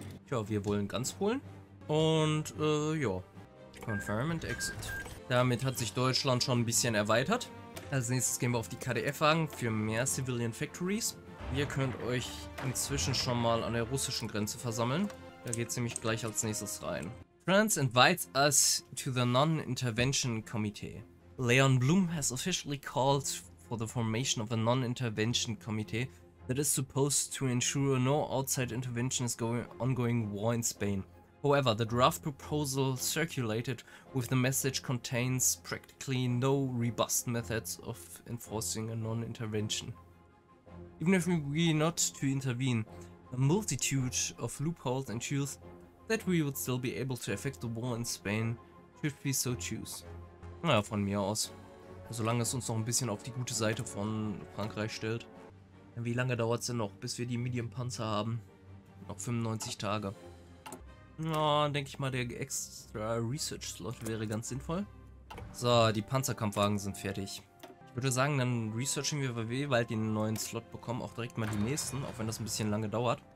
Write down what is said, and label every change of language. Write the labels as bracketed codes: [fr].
[de] Ja, wir wollen ganz Polen. Und ja. [en] Confirm and exit. [de] Damit hat sich Deutschland schon ein bisschen erweitert. Als nächstes gehen wir auf die KDF-Wagen für mehr Civilian Factories. Ihr könnt euch inzwischen schon mal an der russischen Grenze versammeln. Da geht es nämlich gleich als nächstes rein. [en] France invites us to the Non-Intervention Committee. Leon Blum has officially called for the formation of a Non-Intervention Committee that is supposed to ensure no outside intervention is ongoing war in Spain. However, the draft proposal circulated with the message contains practically no robust methods of enforcing a non-intervention. Even if we agree not to intervene, a multitude of loopholes ensures that we would still be able to affect the war in Spain, should we so choose. [de] Naja, von mir aus. Solange es uns noch ein bisschen auf die gute Seite von Frankreich stellt. Wie lange dauert es denn noch, bis wir die Medium Panzer haben? Noch 95 Tage. Na, denke ich mal, der extra Research Slot wäre ganz sinnvoll. So, die Panzerkampfwagen sind fertig. Ich würde sagen, dann researchen wir, weil wir bald den neuen Slot bekommen, auch direkt mal die nächsten, auch wenn das ein bisschen lange dauert.